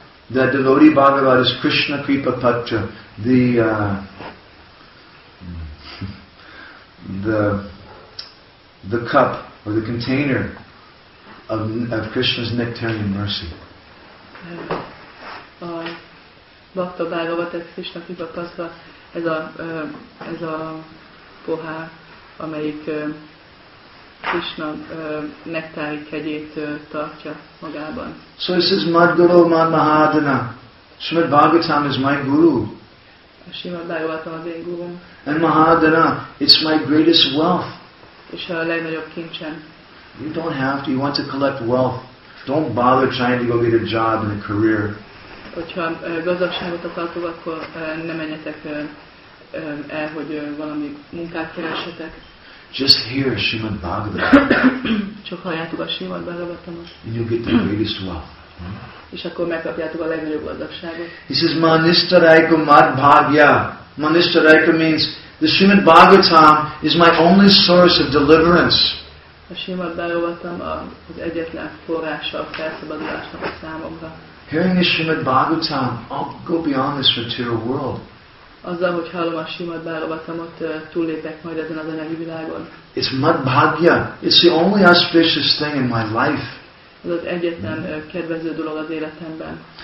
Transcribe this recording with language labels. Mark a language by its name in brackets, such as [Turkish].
[English] That devotee Bhagavat is Krishna Kripa Patra, the cup or the container of Krishna's nectar and mercy. [Hungarian] Bhakta Bhagavat is Krishna Kripa Patra, ez a pohár, amelyik Krishna nektári kegyét tartja magában. [English] So this is [Sanskrit] Madguru Man Mahadana. [English] Srimad Bhagavatam is my guru. [Hungarian] Srimad Bhagavatam az én gurum. [English] And Mahadana, it's my greatest wealth. [Hungarian] És a legnagyobb kincsem. [English] You don't have to, you want to collect wealth. Don't bother trying to go get a job and a career. [Hungarian] Hogyha gazdagságot akartok, akkor ne menjetek el, hogy valami munkát keressetek. [English] Just hear Srimad Bhagavatam. [Hungarian] Csak halljátok a Srimad Bhagavatamot. [English] And you'll get the greatest wealth. [Hungarian] És akkor megkapjátok a legnagyobb gazdagságot. [English] He says, [Sanskrit] Manishtaraika Madbhagya. [English] Manishtaraika means, the Srimad Bhagavatam is my only source of deliverance. [Hungarian] A Srimad Bhagavatam az egyetlen forrása a felszabadulásnak a számomra. [English] Hearing the Srimad Bhagavatam, I'll go beyond this material world. [Hungarian] Azzal, hogy hallom a Srimad Bhagavatamot, túllépek majd ezen az anyagi világon. [English] It's Madbhagya. It's the only auspicious thing in my life. [Hungarian] Ez az egyetlen kedvező dolog az életemben.